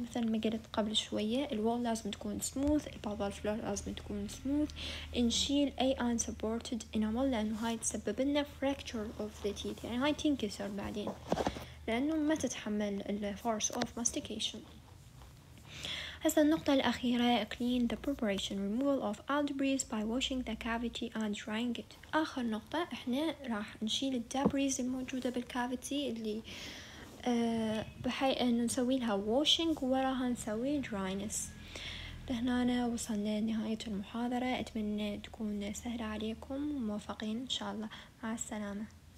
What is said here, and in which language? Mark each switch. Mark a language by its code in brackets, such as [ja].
[ar] مثل ما قلت قبل شوية الwall لازم تكون smooth، البلبل فلور لازم تكون smooth، نشيل أي unsupported enamel لأنه هاي تسبب لنا [en] fracture of the teeth، [ar] يعني هاي تنكسر بعدين لأنه ما تتحمل [en] the force of mastication. [ar] هسه النقطة الأخيرة [en] clean the preparation removal of all debris by washing the cavity and drying it. [ar] آخر نقطة احنا راح نشيل الدابريز الموجودة بالكافيتي اللي بحيث انه نسوي لها واشنج وراها نسوي دراينس. لهنا وصلنا لنهاية المحاضرة، اتمنى تكون سهلة عليكم وموفقين ان شاء الله. مع السلامة.